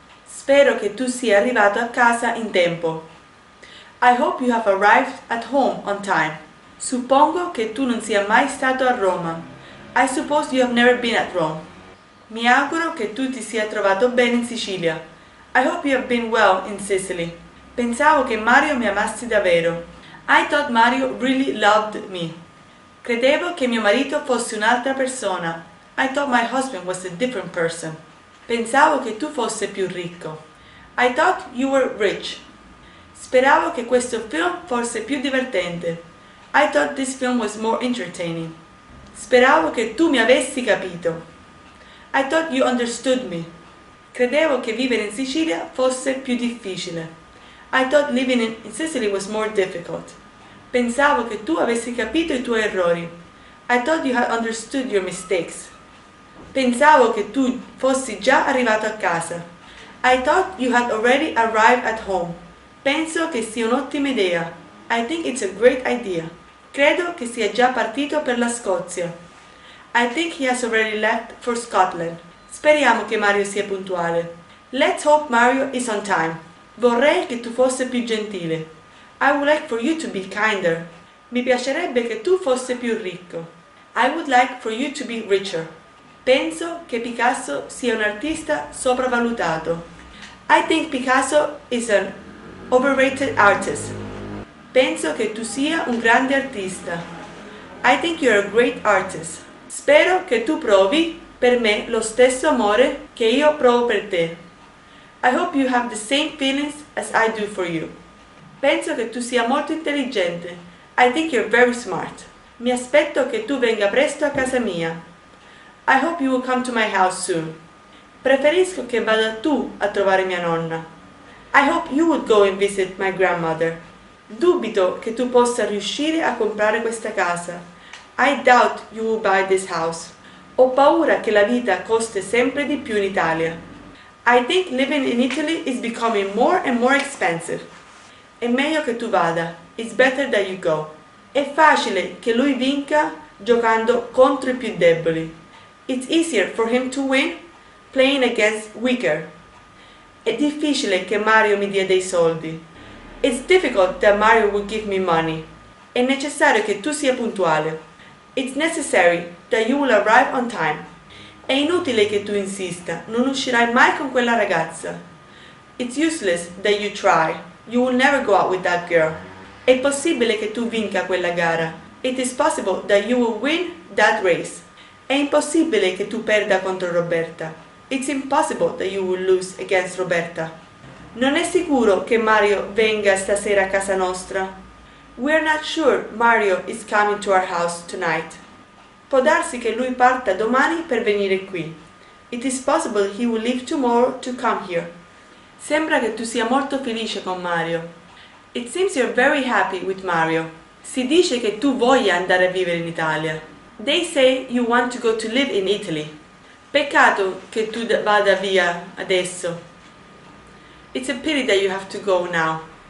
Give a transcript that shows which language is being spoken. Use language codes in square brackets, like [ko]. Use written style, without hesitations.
[it] Spero che tu sia arrivato a casa in tempo. [en] I hope you have arrived at home on time. [it] Suppongo che tu non sia mai stato a Roma. [en] I suppose you have never been at Rome. [it] Mi auguro che tu ti sia trovato bene in Sicilia. [en] I hope you have been well in Sicily. [it] Pensavo che Mario mi amasse davvero. [en] I thought Mario really loved me. [it] Credevo che mio marito fosse un'altra persona. [en] I thought my husband was a different person. [it] Pensavo che tu fosse più ricco. [en] I thought you were rich. [it] Speravo che questo film fosse più divertente. [en] I thought this film was more entertaining. [it] Speravo che tu mi avessi capito. [en] I thought you understood me. [it] Credevo che vivere in Sicilia fosse più difficile. [en] I thought living in Sicily was more difficult. [it] Pensavo che tu avessi capito i tuoi errori. [en] I thought you had understood your mistakes. [it] Pensavo che tu fossi già arrivato a casa. [en] I thought you had already arrived at home. [it] Penso che sia un'ottima idea. [en] I think it's a great idea. [it] Credo che sia già partito per la Scozia. [en] I think he has already left for Scotland. [it] Speriamo che Mario sia puntuale. [en] Let's hope Mario is on time. [it] Vorrei che tu fossi più gentile. [en] I would like for you to be kinder. [it] Mi piacerebbe che tu fossi più ricco. [en] I would like for you to be richer. [it] Penso che Picasso sia un artista sopravvalutato. [en] I think Picasso is an overrated artist. [it] Penso che tu sia un grande artista. [en] I think you are a great artist. [it] Spero che tu provi per me lo stesso amore che io provo per te. [en] I hope you have the same feelings as I do for you. [it] Penso che tu sia molto intelligente. [en] I think you're very smart. [it] Mi aspetto che tu venga presto a casa mia. [en] I hope you will come to my house soon. [it] Preferisco che vada tu a trovare mia nonna. [en] I hope you would go and visit my grandmother. [it] Dubito che tu possa riuscire a comprare questa casa. [en] I doubt you will buy this house. [it] Ho paura che la vita costi sempre di più in Italia. [en] I think living in Italy is becoming more and more expensive. [it] È meglio che tu vada. [en] It's better that you go. [it] È facile che lui vinca giocando contro i più deboli. [en] It's easier for him to win playing against weaker. [it] È difficile che Mario mi dia dei soldi. [en] It's difficult that Mario will give me money. [it] È necessario che tu sia puntuale. [en] It's necessary that you will arrive on time. [it] È inutile che tu insista, non uscirai mai con quella ragazza. [en] It's useless that you try. You will never go out with that girl. [it] È possibile che tu vinca quella gara. [en] It is possible that you will win that race. [it] È impossibile che tu perda contro Roberta. [en] It's impossible that you will lose against Roberta. [it] Non è sicuro che Mario venga stasera a casa nostra. [en] We are not sure Mario is coming to our house tonight. [it] Può darsi che lui parta domani per venire qui. [en] It is possible he will leave tomorrow to come here. [it] Sembra che tu sia molto felice con Mario. [en] It seems you're very happy with Mario. [it] Si dice che tu voglia andare a vivere in Italia. [en] They say you want to go to live in Italy. [it] Peccato che tu vada via adesso. [en] It's a pity that you have to go now.